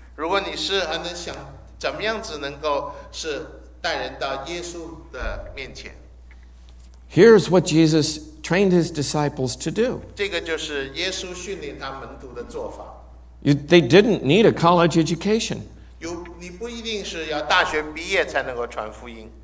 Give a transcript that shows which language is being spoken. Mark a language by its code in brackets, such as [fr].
[zh] 如果你是想怎么样子能够是带人到耶稣的面前, [en] here's what Jesus trained his disciples to do. [zh] 这个就是耶稣训练他门徒的做法。 [en] They didn't need a college education. [zh] 你不一定是要大学毕业才能够传福音。